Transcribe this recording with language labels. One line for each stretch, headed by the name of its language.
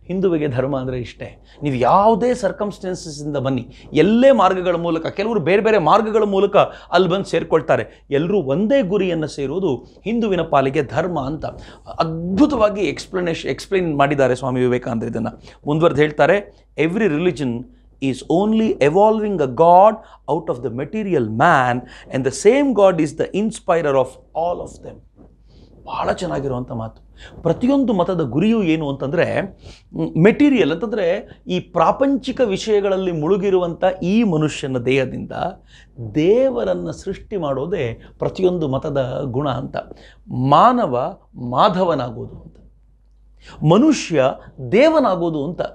Kannada: ಹಿಂದುವಿಗೆ ಧರ್ಮ ಅಂದರೆ ಇಷ್ಟೇ. ನೀವು ಯಾವುದೇ ಸರ್ಕಮ್ಸ್ಟೆನ್ಸಸ್ಸಿಂದ ಬನ್ನಿ, ಎಲ್ಲೇ ಮಾರ್ಗಗಳ ಮೂಲಕ, ಕೆಲವರು ಬೇರೆ ಬೇರೆ ಮಾರ್ಗಗಳ ಮೂಲಕ ಅಲ್ಲಿ ಬಂದು ಸೇರಿಕೊಳ್ತಾರೆ, ಎಲ್ಲರೂ ಒಂದೇ ಗುರಿಯನ್ನು ಸೇರುವುದು ಹಿಂದುವಿನ ಪಾಲಿಗೆ ಧರ್ಮ ಅಂತ ಅದ್ಭುತವಾಗಿ ಎಕ್ಸ್ಪ್ಲೇನ್ ಮಾಡಿದ್ದಾರೆ ಸ್ವಾಮಿ ವಿವೇಕಾನಂದರು. ಇದನ್ನು ಮುಂದುವರೆದು ಹೇಳ್ತಾರೆ,
English: Every religion is only evolving a god out of the material man and the same god is the inspirer of all of them.
Kannada: ಬಹಳ ಚೆನ್ನಾಗಿರುವಂಥ ಮಾತು. ಪ್ರತಿಯೊಂದು ಮತದ ಗುರಿಯು ಏನು ಅಂತಂದರೆ, ಮೆಟೀರಿಯಲ್ ಅಂತಂದರೆ ಈ ಪ್ರಾಪಂಚಿಕ ವಿಷಯಗಳಲ್ಲಿ ಮುಳುಗಿರುವಂಥ ಈ ಮನುಷ್ಯನ ದೇಹದಿಂದ ದೇವರನ್ನು ಸೃಷ್ಟಿ ಮಾಡೋದೇ ಪ್ರತಿಯೊಂದು ಮತದ ಗುಣ ಅಂತ. ಮಾನವ ಮಾಧವನಾಗುವುದು ಅಂತ, ಮನುಷ್ಯ ದೇವನಾಗೋದು ಅಂತ.